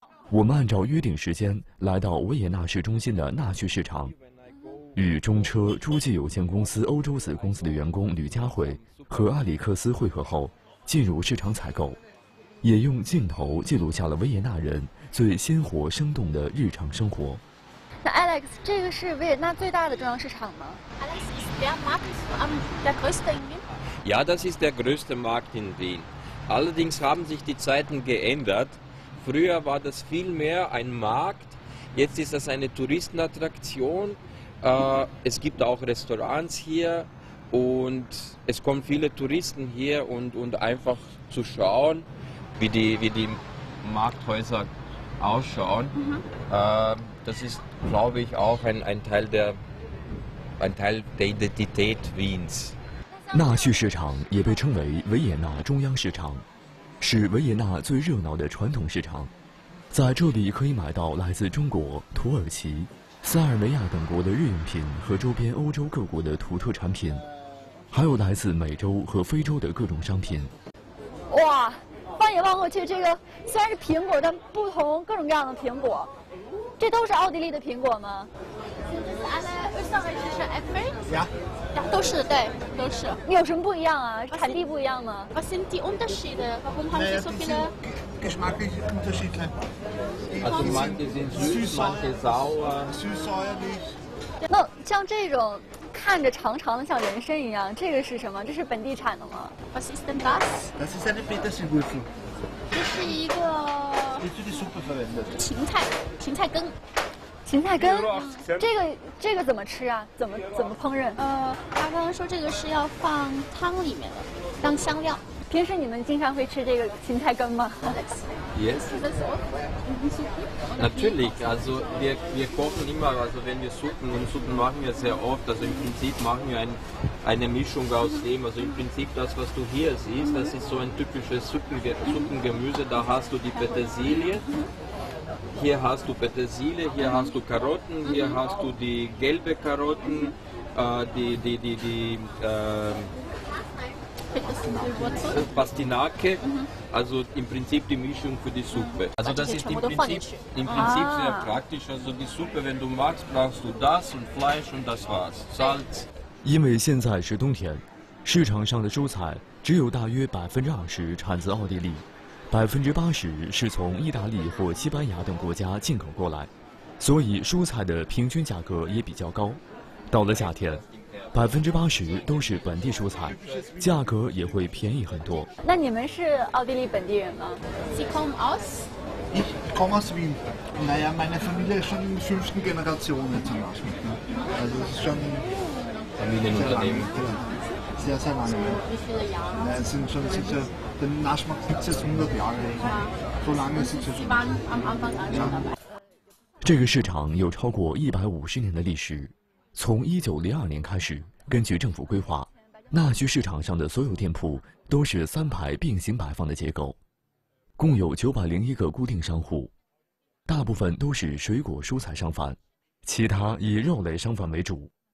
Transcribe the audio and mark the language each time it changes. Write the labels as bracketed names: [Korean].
[Chinese] 我们按照约定时间来到维也纳市中心的纳旭市场，与中车诸暨有限公司欧洲子公司的员工吕佳慧和阿里克斯会合后，进入市场采购，也用镜头记录下了维也纳人最鲜活生动的日常生活。那 Alex， 这个是维也纳最大的中央市场吗？ [German] Alex， ist der Markt der größte in Wien？ Ja， das ist der größte Markt in Wien. Allerdings haben sich die Zeiten geändert. Früher war das viel mehr ein Markt. Jetzt ist das eine Touristenattraktion. Es gibt auch Restaurants hier und es kommen viele Touristen hier und einfach zu schauen, wie die Markthäuser ausschauen. Das ist, glaube ich, auch ein Teil der Identität Wiens. [Chinese] 纳旭市场也被称为维也纳中央市场，是维也纳最热闹的传统市场。在这里可以买到来自中国、土耳其、塞尔维亚等国的日用品和周边欧洲各国的土特产品，还有来自美洲和非洲的各种商品。哇，放眼望过去，这个虽然是苹果，但不同各种各样的苹果，这都是奥地利的苹果吗？都是，对，都是。你有什么不一样啊？产地不一样吗？ [German] Was sind die Unterschiede? Warum haben Sie so viele geschmackliche Unterschiede? Also manche sind süß, manche sauer. Süß-säuerlich. [Chinese] 那像这种看着长长的像人参一样，这个是什么？这是本地产的吗 [German] ？Was ist denn das? Das ist eine Petersilie. [Chinese] 这是一个。 [German] Das ist die Suppe verwendet. [Chinese] 芹菜根。芹菜根，这个怎么吃啊？怎么烹饪？他刚刚说这个是要放汤里面的，当香料。平时你们经常会吃这个芹菜根吗 [English] ？Yes. [German] Natürlich. Also wir kochen immer. Also wenn wir Suppen und Suppen machen wir sehr oft. Also im Prinzip machen wir eine Mischung aus dem. Also im Prinzip das, was du hier siehst, das ist so ein typisches Suppengemüse. Da hast du die Petersilie. Hier hast du Petersilie, hier hast du Karotten, hier hast du die gelbe Karotten, die Pastinake, also im Prinzip die Mischung für die Suppe. Also das ist im Prinzip sehr praktisch. Also die Suppe, wenn du magst, brauchst du das und Fleisch und das war's. Salz. [Chinese] 因为现在是冬天，市场上的蔬菜只有大约20%产自奥地利。 80%是从意大利或西班牙等国家进口过来，所以蔬菜的平均价格也比较高。到了夏天，80%都是本地蔬菜，价格也会便宜很多。那你们是奥地利本地人吗 [German] ？Sie kommen aus? Ich komme aus Wien. Naja, meine Familie ist schon in der 5. Generation zum Beispiel. Also es ist schon Familienunternehmen. Sehr, sehr lange. Es sind schon sicher. Denn Naschmarkt gibt es jetzt 100 Jahre. So lange ist es schon. [Chinese] 这个市场有超过150年的历史。从1902年开始，根据政府规划，纳旭市场上的所有店铺都是三排并行摆放的结构，共有901个固定商户，大部分都是水果蔬菜商贩，其他以肉类商贩为主。